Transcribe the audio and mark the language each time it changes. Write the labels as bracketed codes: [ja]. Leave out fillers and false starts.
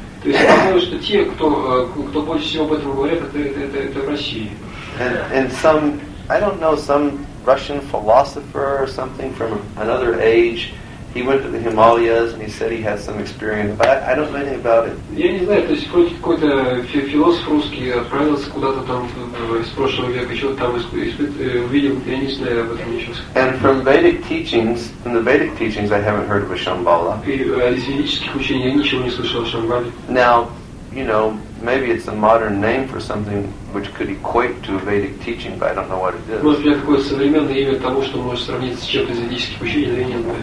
[en] and some Russian philosopher or something from another age, he went to the Himalayas and he said he had some experience, but I don't know anything about it. [ru] Я не знаю, то есть какой-то философ русский отправился куда-то там из прошлого века, что-то там увидел, я не знаю об этом ничего. [en] And from the Vedic teachings, I haven't heard of a Shambhala. [ru] Из ведических учений я ничего не слышал о Шамбале. [en] Now, you know, maybe it's a modern name for something which could equate to a Vedic teaching, but I don't know what it is. [ru] Может быть, какое современное имя того, что может сравниться с чем-то из ведических учений, или нет.